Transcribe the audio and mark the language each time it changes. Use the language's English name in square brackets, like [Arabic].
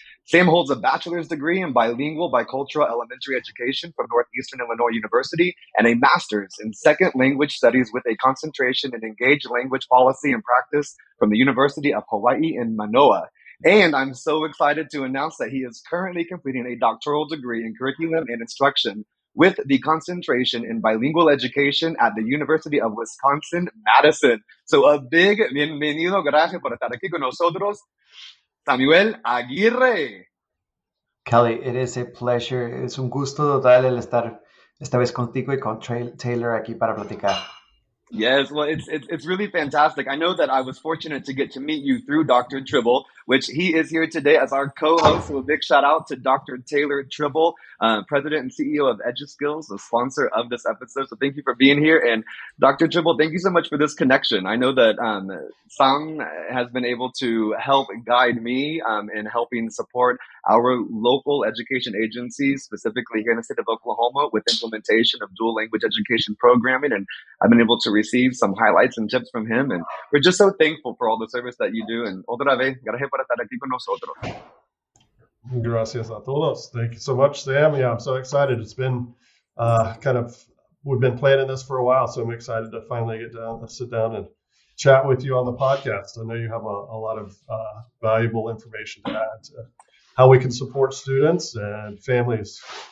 [English] Sam holds a bachelor's degree in bilingual bicultural elementary education from Northeastern Illinois University and a master's in second language studies with a concentration in engaged language policy and practice from the University of Hawaii in Manoa. And I'm so excited to announce that he is currently completing a doctoral degree in curriculum and instruction with the concentration in bilingual education at the University of Wisconsin-Madison. So a big [Spanish] bienvenido, gracias por estar aquí con nosotros. Samuel Aguirre. [English] Kelly, it is a pleasure. [Spanish] Es un gusto total el estar esta vez contigo y con Taylor aquí para platicar. [English] Yes, well, it's really fantastic. I know that I was fortunate to get to meet you through Dr. Tribble, which he is here today as our co-host. So a big shout out to Dr. Taylor Tribble, president and CEO of EduSkills, the sponsor of this episode. So thank you for being here. And Dr. Tribble, thank you so much for this connection. I know that Sam has been able to help guide me in helping support our local education agencies, specifically here in the state of Oklahoma, with implementation of dual language education programming. And I've been able to receive some highlights and tips from him. And we're just so thankful for all the service that you do. And [Spanish] otra vez, gracias por estar aquí con nosotros. Gracias a todos. [English] Thank you so much, Sam. Yeah, I'm so excited. It's been we've been planning this for a while, so I'm excited to finally get down to sit down and chat with you on the podcast. I know you have a lot of valuable information to add to how we can support students and families.